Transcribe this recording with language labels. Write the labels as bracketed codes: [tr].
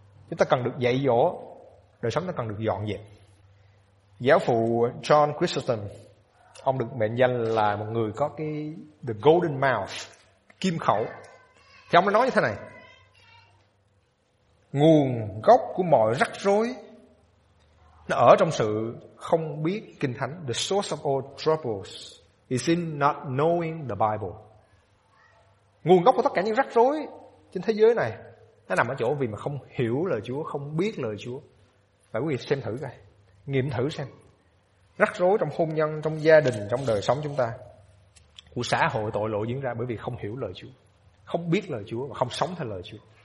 [vi] Chúng ta cần được dạy dỗ, đời sống ta cần được dọn dẹp. Giáo phụ John Chrysostom, ông được mệnh danh là một người có cái [en] the golden mouth, [vi] kim khẩu. Thì ông đã nói như thế này: nguồn gốc của mọi rắc rối nó ở trong sự không biết Kinh Thánh. [en] The source of all troubles is in not knowing the Bible. [vi] Nguồn gốc của tất cả những rắc rối trên thế giới này nó nằm ở chỗ vì mà không hiểu lời Chúa, không biết lời Chúa. Và quý vị xem thử coi, nghiệm thử xem, rắc rối trong hôn nhân, trong gia đình, trong đời sống chúng ta, của xã hội tội lỗi diễn ra bởi vì không hiểu lời Chúa, không biết lời Chúa và không sống theo lời Chúa.